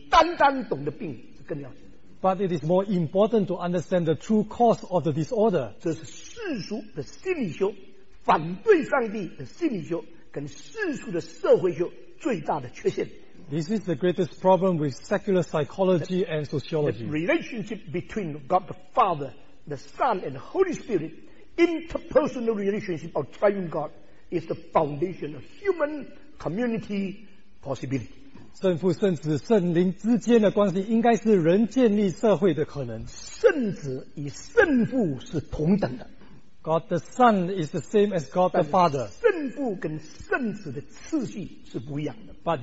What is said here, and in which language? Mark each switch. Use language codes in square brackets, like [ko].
[zh] 病的原因跟治病的真正能力在哪里，是比你单单懂的病是更要紧。 [en] But it is more important to understand the true cause of the disorder. [zh] 这是世俗的心理学，反对上帝的心理学，跟世俗的社会学最大的缺陷。 [en] This is the greatest problem with secular psychology and sociology. The relationship between God the Father, the Son, and the Holy Spirit, interpersonal relationship of triune God, is the foundation of human community possibility. [zh] 圣父、圣子、圣灵之间的关系应该是人建立社会的可能。圣子与圣父是同等的。 [en] God the Son is the same as God the Father. [zh] 圣父跟圣子的次序是不一样的。But